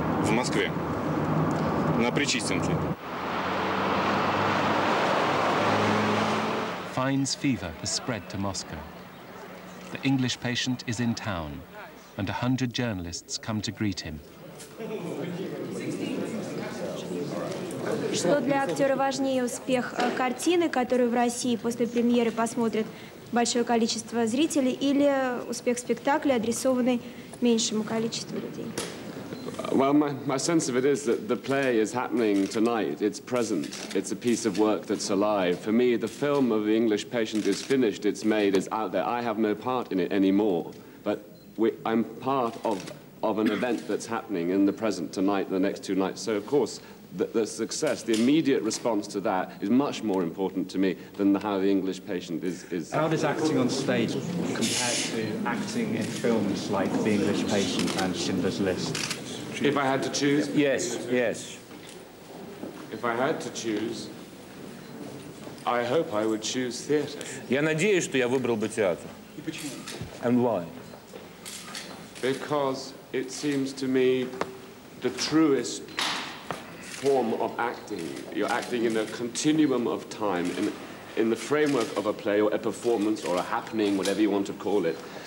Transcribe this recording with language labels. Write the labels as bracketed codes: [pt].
[ru] В Москве. На Пречистенке. [en] Fiennes fever has spread to Moscow. The English patient is in town, and 100 journalists come to greet him. [ru] Что для актера важнее, успех картины, которую в России после премьеры посмотрят большое количество зрителей, или успех спектакля, адресованный меньшему количеству людей? [en] Well, my sense of it is that the play is happening tonight. It's present. It's a piece of work that's alive. For me, the film of The English Patient is finished. It's made. It's out there. I have no part in it anymore. But I'm part of an event that's happening in the present tonight, the next two nights. So, of course, the success, the immediate response to that is much more important to me than how The English Patient is. How does acting on stage compare to acting in films like The English Patient and Schindler's List? If I had to choose? Yes, yes. If I had to choose, I hope I would choose theatre. [ru] Я надеюсь, что я выбрал бы театр. [en] And why? Because it seems to me the truest form of acting. You're acting in a continuum of time, in the framework of a play or a performance or a happening, whatever you want to call it.